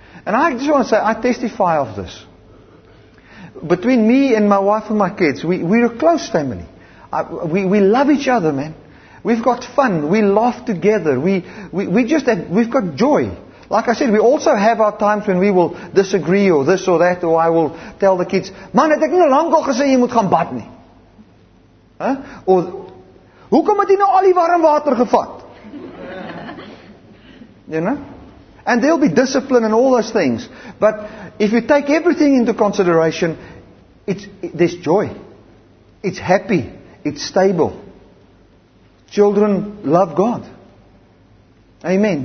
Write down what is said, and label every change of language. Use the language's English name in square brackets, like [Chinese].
[English] And I just want to say, I testify of this. Between me and my wife and my kids, we're a close family. We love each other, man. We've got fun. We laugh together. We've got joy. Like I said, we also have our times when we will disagree or this or that. Or I will tell the kids, man, [Afrikaans] het ek nie lang al gesê jy moet gaan bad nie. Huh? Or, hoekom het jy nou al die warm water gevat? [English] You know? And there'll be discipline and all those things. But if you take everything into consideration, there's joy. It's happy. It's stable. Children love God. Amen.